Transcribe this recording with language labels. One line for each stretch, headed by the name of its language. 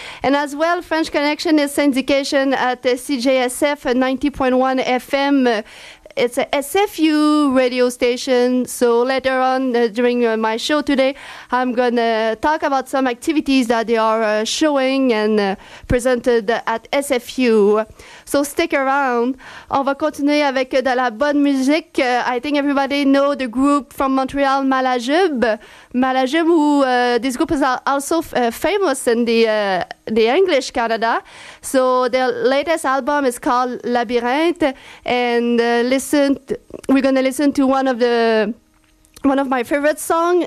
English: And as well, French Connection is syndication at CJSF 90.1 FM. It's a SFU radio station. So later on during my show today, I'm going to talk about some activities that they are showing and presented at SFU. So stick around.
French: On va continuer avec de la bonne musique.
English: I think everybody know the group from Montreal, Malajub. Malajub, who this group is also famous in the English Canada. So their latest album is called Labyrinthe. And we're going to listen to one of my favorite songs.